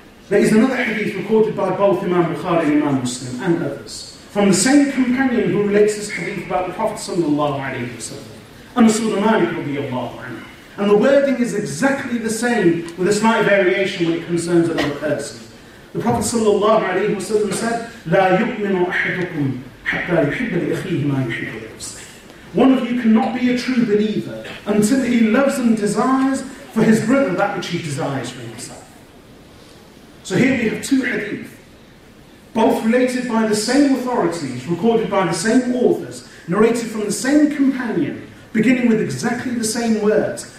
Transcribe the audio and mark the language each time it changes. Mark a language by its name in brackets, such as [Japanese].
[English] There is another hadith recorded by both Imam Bukhari and Imam Muslim and others from the same companion who relates this hadith about the Prophet sallallahu alayhi wa sallam, Anas ibn Malik radiallahu anhu. And the wording is exactly the same with a slight variation when it concerns another person. [Arabic] The Prophet sallallahu alayhi wa sallam said, لَا يُؤْمِنُ أَحَدُكُمْ حَتَّى يُحِبَّ لِأَخِيهِ مَا يُحِبُّ لِنَفْسِهِ. [English] One of you cannot be a true believer until he loves and desires for his brother that which he desires for himself. So here we have two hadith, both related by the same authorities, recorded by the same authors, narrated from the same companion, beginning with exactly the same words.